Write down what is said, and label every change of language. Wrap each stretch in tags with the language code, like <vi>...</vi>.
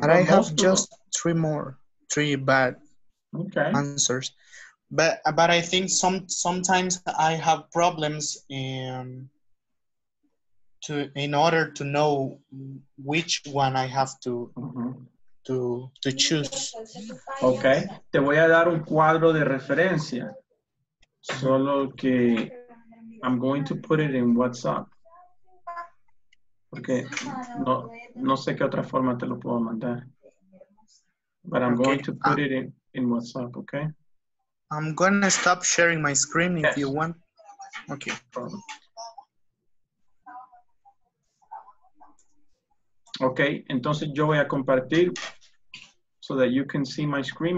<en>But well, I have just three bad answers. But I think sometimes I have problems in order to know which one I have to to choose.</en> <es>Okay, te voy a dar un cuadro de referencia. Solo que</es> <en>I'm going to put it in WhatsApp.</en> <es>Porque no sé qué otra forma te lo puedo mandar.</es> <en>But I'm going to put it in WhatsApp, okay? I'm gonna stop sharing my screen if you want. Okay. Okay,</en> <es>entonces yo voy a compartir</es> <en>so that you can see my screen.</en>